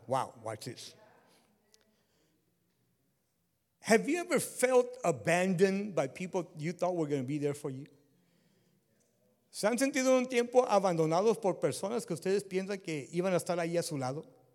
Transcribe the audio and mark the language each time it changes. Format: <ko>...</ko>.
<en>Wow, watch this. Have you ever felt abandoned by people you thought were going to be there for you?</en> <es>¿Se han sentido un tiempo abandonados por personas que ustedes piensan que iban a estar ahí a su lado?</es>